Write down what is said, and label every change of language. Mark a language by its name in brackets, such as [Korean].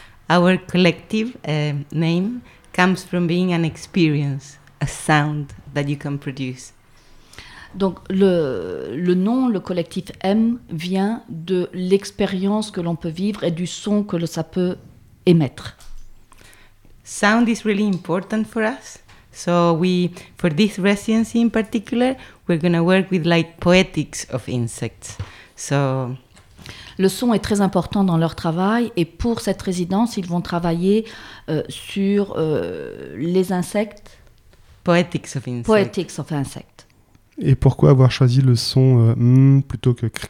[English] Our collective name comes from being an experience, a sound that you can produce. [French] Donc le nom, le collectif M, vient de l'expérience que l'on peut vivre et du son que ça peut émettre. [English] Sound is really important for us. So we, for this residency in particular, we're going to work with like poetics of insects. So, [French] le son est très important dans leur travail et pour cette résidence, ils vont travailler sur les insectes. [English] Poetics of insects. Poetics of insects. [French] Et pourquoi avoir choisi le son plutôt que